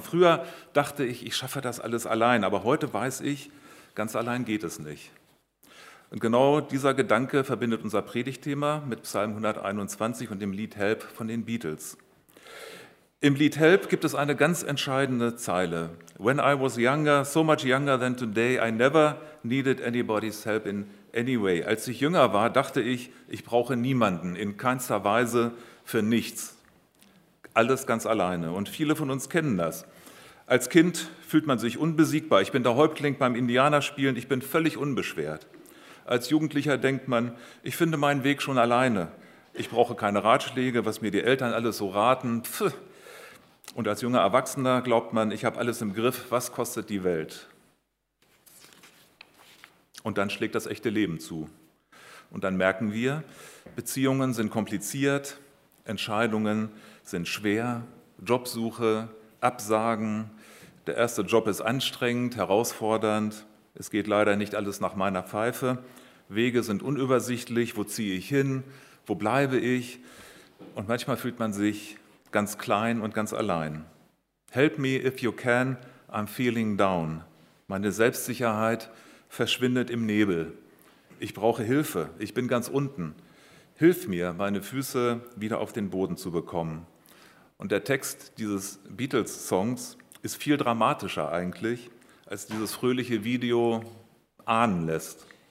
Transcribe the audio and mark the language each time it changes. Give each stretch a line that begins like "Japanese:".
German: Früher dachte ich, ich schaffe das alles allein, aber heute weiß ich, ganz allein geht es nicht. Und genau dieser Gedanke verbindet unser Predigtthema mit Psalm 121 und dem Lied Help von den Beatles. Im Lied Help gibt es eine ganz entscheidende Zeile.
English: When I was younger, so much younger than today, I never needed anybody's help in any way.
German: Als ich jünger war, dachte ich, ich brauche niemanden, in keinster Weise, für nichts. Alles ganz alleine. Und viele von uns kennen das. Als Kind fühlt man sich unbesiegbar. Ich bin der Häuptling beim Indianerspielen, ich bin völlig unbeschwert. Als Jugendlicher denkt man, ich finde meinen Weg schon alleine. Ich brauche keine Ratschläge, was mir die Eltern alles so raten. Und als junger Erwachsener glaubt man, ich habe alles im Griff, was kostet die Welt? Und dann schlägt das echte Leben zu. Und dann merken wir, Beziehungen sind kompliziert, Entscheidungen sind schwer, Jobsuche, Absagen, der erste Job ist anstrengend, herausfordernd, es geht leider nicht alles nach meiner Pfeife, Wege sind unübersichtlich, wo ziehe ich hin, wo bleibe ich? Und manchmal fühlt man sich ganz klein und ganz allein.
English: Help me if you can, I'm feeling down.
German: Meine Selbstsicherheit verschwindet im Nebel. Ich brauche Hilfe, ich bin ganz unten. Hilf mir, meine Füße wieder auf den Boden zu bekommen. Und der Text dieses Beatles-Songs ist viel dramatischer eigentlich, als dieses fröhliche Video ahnen lässt.